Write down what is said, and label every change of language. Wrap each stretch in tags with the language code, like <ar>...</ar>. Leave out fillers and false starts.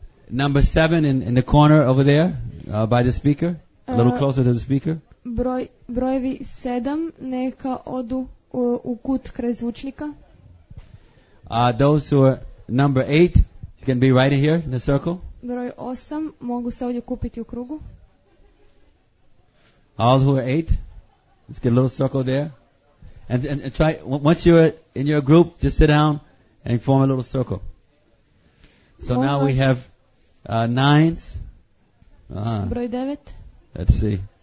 <en>Number 7 in the corner over there by the speaker, a little closer to the speaker.</en> <hr>Brojevi 7 neka odu u kut kraj zvučnika.</hr> <en>Those who are number 8, you can be right in here in the circle.</en> <hr>Broj 8 mogu se ovdje kupiti u krugu.</hr> <en>All who are 8, let's get a little circle there. And try, once you're in your group, just sit down and form a little circle. So</en> <hr>molim</hr> <en>now</en> <hr>vas,</hr> <en>we have 9s.</en> <hr>Broj 9.</hr> <en>Let's see.</en>